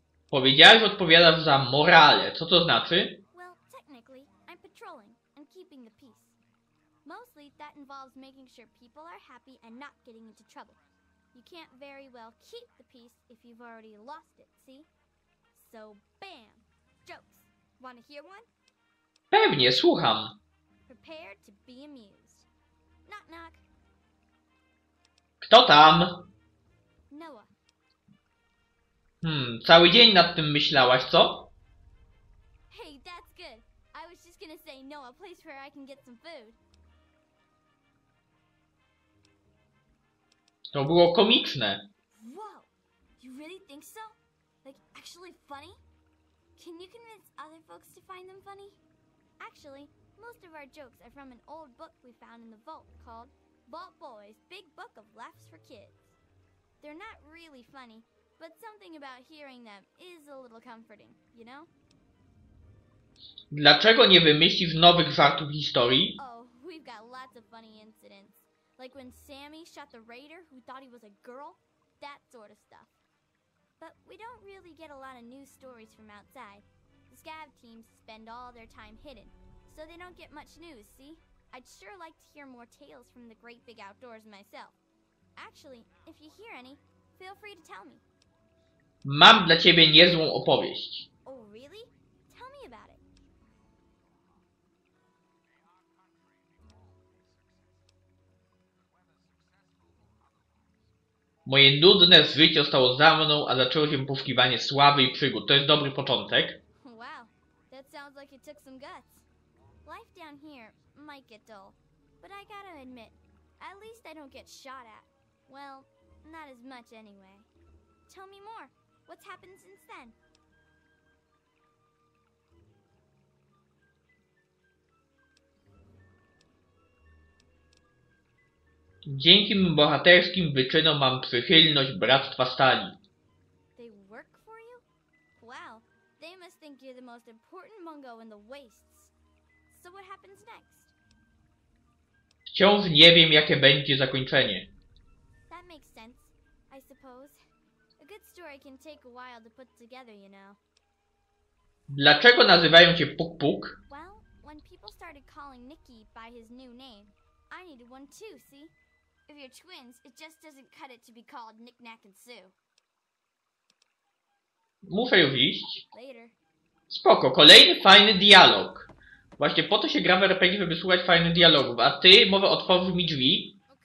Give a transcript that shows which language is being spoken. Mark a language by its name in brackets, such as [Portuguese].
[Polish] Powiedziałeś, odpowiadam za morale. Co to znaczy? [English] Well, technically, I'm patrolling and keeping the peace. Mostly that involves making sure people are happy and not getting into trouble. You can't very well keep the peace if you've already lost it, see? So bam! Jokes! Wanna hear one? [Polish] Pewnie, słucham! [English] Prepare to be amused. Knock knock! [Polish] Kto tam? [English] Noah. [Polish] Cały dzień nad tym myślałaś, co? [English] Hey, that's good! I was just gonna say Noah, place where I can get some food. [Polish] To było komiczne. [English] Wow, you really think so? Like actually funny? Can you convince other folks to find them funny? Actually, most of our jokes are from an old book we found in the vault called Vault Boys: Big Book of Laughs for Kids. They're not really funny, but something about hearing them is a little comforting, you know? [Polish] Dlaczego nie wymyślisz nowych żartów historii? [English] Oh, we've got lots of funny incidents. Like when Sammy shot the raider who thought he was a girl, that sort of stuff. But we don't really get a lot of news stories from outside. The scav teams spend all their time hidden, so they don't get much news, see? I'd sure like to hear more tales from the great big outdoors myself. Actually, if you hear any, feel free to tell me. [Polish] Mam dla ciebie niezłą opowieść. [English] Oh, really? Tell me about it. [Polish] Moje nudne życie zostało za mną, a zaczęło się poszukiwanie sławy i przygód. To jest dobry początek. [English] Wow, that sounds like it took some guts. Life down here might get dull, but I gotta admit, at least I don't get shot at. Well, not as much anyway. Tell me more. What's happened since then? [Polish] Dzięki mym bohaterskim wyczynom mam przychylność Bractwa Stali. [English] They work for you? Wow, they must think you're the most important Mongo in the wastes. So what happens next? [Polish] Wciąż nie wiem, jakie będzie zakończenie. [English] That makes sense, I suppose. A good story can take a while to put together, you know. [Polish] Dlaczego nazywają cię Puk Puk? [English] Well, when people started calling Nikki by his new name, I needed one too, see? If you're twins, it just doesn't cut it to be called Knick-Knack and Sue. [Polish] Muszę już iść. [English] Later. [Polish] Spoko, kolejny fajny dialog. Właśnie po to się gra w RPG, żeby słuchać fajnych dialogów. A ty, mowę, otworzy mi drzwi.